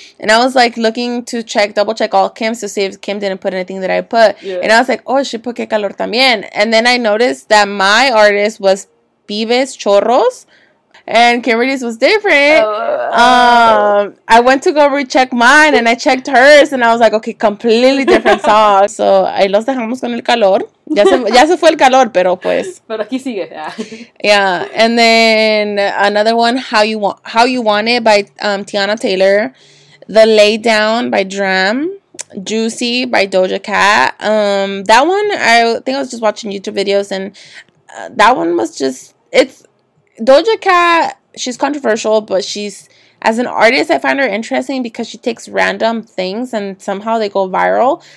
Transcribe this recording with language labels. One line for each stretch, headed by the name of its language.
English: And I was like looking to check, double check all Kim's to see if Kim didn't put anything that I put. Yeah. And I was like, oh, she put Que Calor también. And then I noticed that my artist was Vives Chorros. And Kimberly's was different. I went to go recheck mine, and I checked hers, and I was like, okay, completely different song.
Spanish: So, ahí los dejamos con el calor. Ya se fue el calor, pero pues. Pero aquí sigue,
English: yeah. Yeah, and then another one, How You Want It by Teyana Taylor. The Lay Down by Dram. Juicy by Doja Cat. That one, I think I was just watching YouTube videos, and that one was just, it's, Doja Cat, she's controversial, but she's, as an artist, I find her interesting because she takes random things and somehow they go viral.